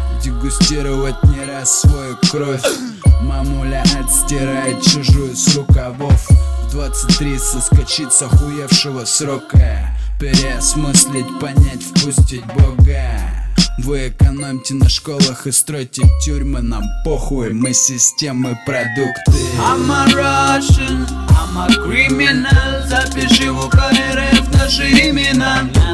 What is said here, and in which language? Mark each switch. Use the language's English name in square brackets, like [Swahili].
[Russian] Дегустировать не раз свою кровь. Мамуля отстирает чужую с рукавов. В 23 соскочить с охуевшего срока. Переосмыслить, понять, впустить Бога. Вы экономьте на школах и стройте тюрьмы. Нам похуй, мы системы, продукты. [English] I'm a Russian, I'm a criminal. [Russian] Запиши в УКРФ наши имена.